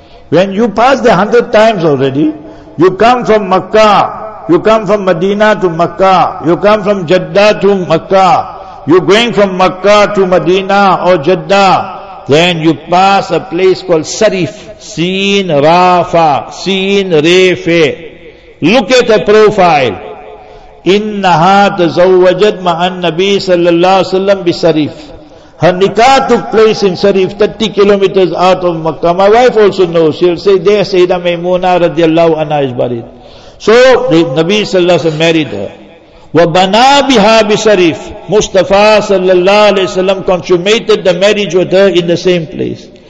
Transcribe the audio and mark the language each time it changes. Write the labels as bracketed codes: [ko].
[en] When you pass the 100 times already, you come from Makkah, you come from Medina to Makkah, you come from Jeddah to Makkah, you're going from Makkah to Medina or Jeddah, then you pass a place called Sarif, Sin Rafa, Sin Refe. Look at the profile. [ar] إنها تزوجت مع النبي صلى الله عليه وسلم بسريف. [en] Her nikah took place in Sarif, 30 kilometers out of Makkah. My wife also knows. She'll say, there Sayyida Maymuna radiallahu anha is buried. So the Nabi sallallahu alaihi wasallam married her. [ar] وَبَنَا بِهَا بِسَرِيفٍ. [en] Mustafa sallallahu alayhi wa sallam consummated the marriage with her in the same place.